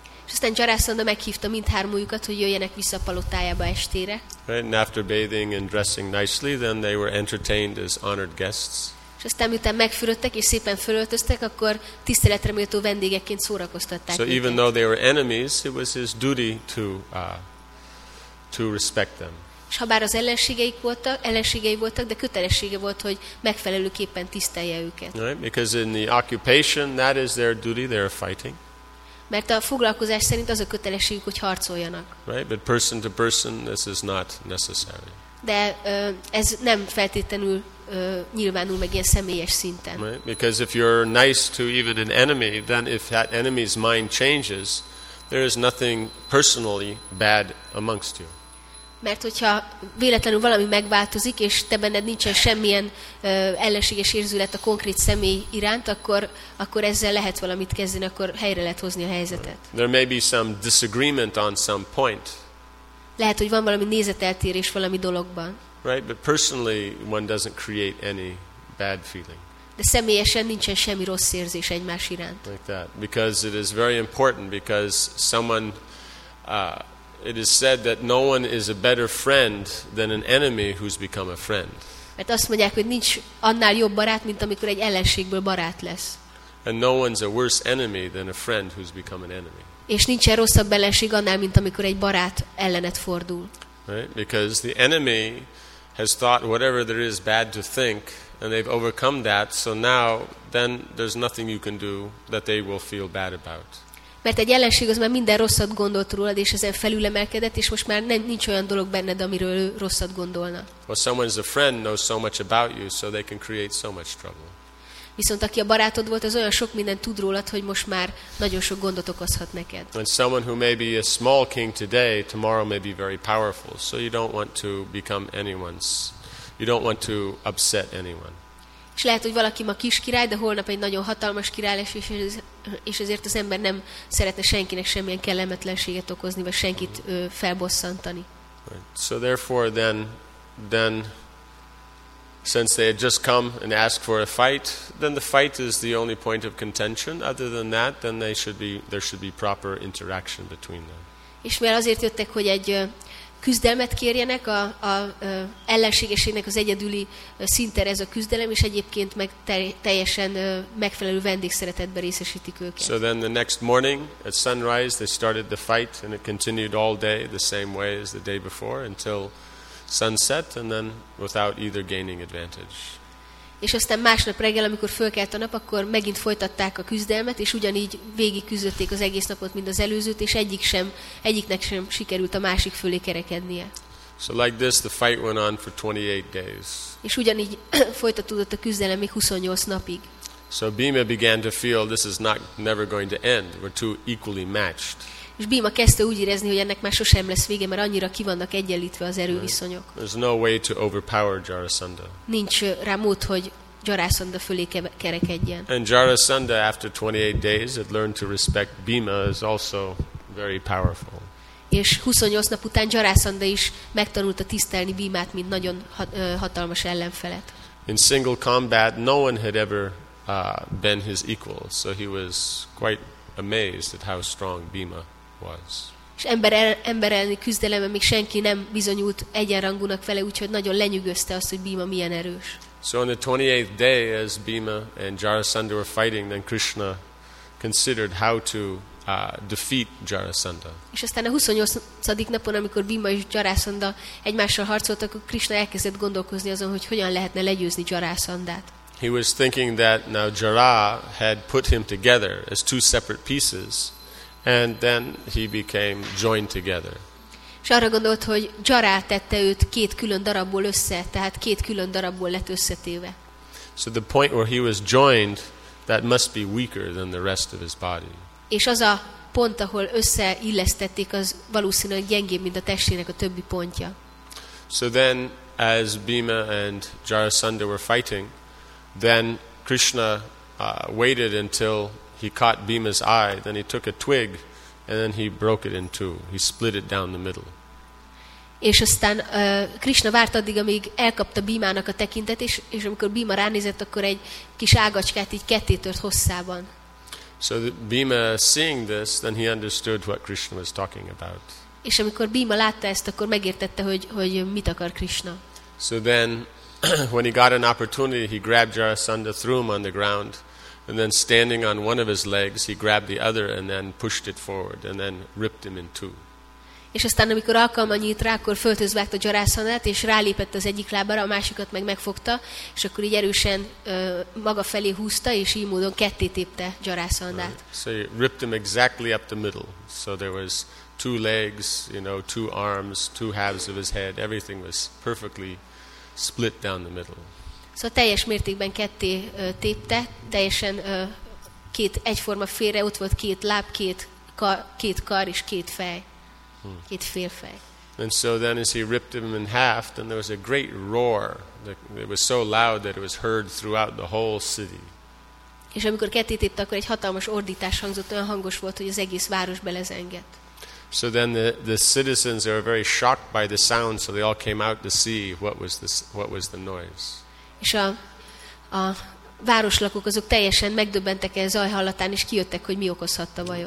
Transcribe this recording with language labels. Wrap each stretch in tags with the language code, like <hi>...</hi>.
<hu>És aztán Jarasandha meghívta mindhármójukat, hogy jöjjenek vissza a palotájába estére.</hu> <en>Right, and after bathing and dressing nicely, then they were entertained as honored guests.</en> <hu>És aztán miután megfürödtek és szépen fölöltöztek, akkor tiszteletre méltó vendégekként szórakoztatták. So őket.</hu> <en>Even though they were enemies, it was his duty to respect them.</en> <hu>És habár az ellenségei voltak, de kötelessége volt, hogy megfelelőképpen tisztelje őket.</hu> <en>Right, because in the occupation, that is their duty, they are fighting.</en> <hu>Mert a foglalkozás szerint az a kötelességük, hogy harcoljanak.</hu> <en>Right, but person to person, this is not necessary.</en> <hu>De ez nem feltétlenül nyilvánul meg ilyen személyes szinten.</hu> <en>Right, because if you're nice to even an enemy, then if that enemy's mind changes, there is nothing personally bad amongst you.</en> <hu>Mert hogyha véletlenül valami megváltozik, és te benned nincsen semmilyen ellenséges érzület a konkrét személy iránt, akkor ezzel lehet valamit kezdeni, akkor helyre lehet hozni a helyzetet.</hu> <en>There may be some disagreement on some point.</en> <hu>Lehet, hogy van valami nézeteltérés valami dologban.</hu> <en>Right, but personally one doesn't create any bad feeling.</en> <hu>De személyesen nincsen semmi rossz érzés egymás iránt.</hu> <en>Like that. Because it is very important, because someone it is said that no one is a better friend than an enemy who's become a friend.</en> <hu>Mert azt mondják, hogy nincs annál jobb barát, mint amikor egy ellenségből barát lesz.</hu> <en>And no one's a worse enemy than a friend who's become an enemy.</en> <hu>És nincs rosszabb ellenség annál, mint amikor egy barát ellenet fordul.</hu> <en>Right? Because the enemy has thought whatever there is bad to think, and they've overcome that, so now then there's nothing you can do that they will feel bad about.</en> <hu>Mert egy ellenség az már minden rosszat gondolt rólad, és ezen felülemelkedett, és most már nincs olyan dolog benned, amiről ő rosszat gondolna.</hu> <en>Well, someone is a friend knows so much about you, so they can create so much trouble.</en> <hu>Viszont aki a barátod volt, az olyan sok mindent tud rólad, hogy most már nagyon sok gondot okozhat neked.</hu> <en>And someone who may be a small king today, tomorrow may be very powerful, so you don't want to become anyone's, you don't want to upset anyone.</en> <hu>És lehet, hogy valaki ma kis király, de holnap egy nagyon hatalmas király lesz, és ezért az ember nem szeretne senkinek semmilyen kellemetlenséget okozni, vagy senkit felbosszantani.</hu> <en>Right. So therefore then Since they had just come and asked for a fight, then the fight is the only point of contention. Other than that, then there should be proper interaction between them.</en> <hu>És mivel azért jöttek, hogy egy küzdelmet kérjenek, a ellenségeségnek az egyedüli szintere ez a küzdelem, és egyébként meg teljesen megfelelő vendégszeretetben részesítik őket.</hu> <en>So then the next morning at sunrise they started the fight and it continued all day the same way as the day before until sunset and then without either gaining advantage.</en> <hu>És aztán másnap reggel, amikor fölkelt a nap, akkor megint folytatták a küzdelmet, és ugyanígy végig küzdötték az egész napot, mint az előzőt, és egyiknek sem sikerült a másik fölé kerekednie.</hu> <en>So like this, the fight went on for 28 days.</en> <hu>És ugyanígy folytatódott a küzdelem még 28 napig.</hu> <en>So Bhima began to feel this is not never going to end. We're too equally matched.</en> <hu>És Bhima kezdte úgy érezni, hogy ennek már sosem lesz vége, mert annyira kivannak egyenlítve az erőviszonyok.</hu> <en>There's no way to overpower Jarasandha.</en> <hu>Nincs rá mód, hogy Jarasandha fölé kerekedjen.</hu> <en>And Jarasandha, after 28 days, had learned to respect Bhima is also very powerful.</en> <hu>És 28 nap után Jarasandha is megtanulta tisztelni Bhimát, mint nagyon hatalmas ellenfelet.</hu> <en>In single combat, no one had ever been his equal, so he was quite amazed at how strong Bhima was.</en> <hu>És ember elleni küzdelemben még senki nem bizonyult egyenrangúnak vele, úgyhogy nagyon lenyűgözte azt, hogy Bhima milyen erős.</hu> <en>So on the 28th day, as Bhima and Jarasandha were fighting, then Krishna considered how to defeat Jarasandha.</en> <hu>És aztán a 28. napon, amikor Bhima és Jarasandha egymással harcoltak, akkor Krishna elkezdett gondolkozni azon, hogy hogyan lehetne legyőzni Jarasandhát.</hu> <en>He was thinking that now Jara had put him together as two separate pieces, and then he became joined together.</en> <hu>És arra gondolt, hogy Jara tette őt két külön darabból össze, tehát két külön darabból lett összetéve.</hu> <en>So the point where he was joined, that must be weaker than the rest of his body.</en> <hu>És az a pont, ahol összeillesztették, az valószínűleg gyengébb, mint a testének a többi pontja.</hu> <en>So then, as Bhima and Jarasandha were fighting, then Krishna waited until he caught Bhima's eye. Then he took a twig, and then he broke it in two. He split it down the middle.</en> <hu>És aztán Krishna várt addig, amíg elkapta Bhimának a tekintet, és amikor Bhima ránézett, akkor egy kis ágacskát így ketté tört hosszában.</hu> <en>So Bhima, seeing this, then he understood what Krishna was talking about.</en> <hu>És amikor Bhima látta ezt, akkor megértette, hogy mit akar Krishna.</hu> <en>So then, when he got an opportunity, he grabbed Jarasandha, threw him on the ground, and then standing on one of his legs, he grabbed the other and then pushed it forward and then ripped him in two.</en> <hu>És aztán, amikor alkalma nyílt rá, akkor földhöz vágta Jarasandhát, és rálépett az egyik lábára, a másikat meg megfogta, és akkor így erősen maga felé húzta, és így módon ketté tépte Jarasandhát.</hu> <en>So he ripped him exactly up the middle. So there was two legs, you know, two arms, two halves of his head, everything was perfectly split down the middle.</en> <hu>Szóval teljes mértékben ketté tépte, teljesen két egyforma félre, ott volt két láb, két kar és két fej. Két fél fej.</hu> <en>And so then as he ripped him in half, then there was a great roar. It was so loud that it was heard throughout the whole city.</en> <hu>És amikor ketté tépte, akkor egy hatalmas ordítás hangzott, olyan hangos volt, hogy az egész város belezengett.</hu> <en>So then the citizens are very shocked by the sound, so they all came out to see what was the noise.</en> <hu>És a városlakók azok teljesen megdöbbentek ez zaj hallatán, és kijöttek, hogy mi okozhatta vajon.</hu>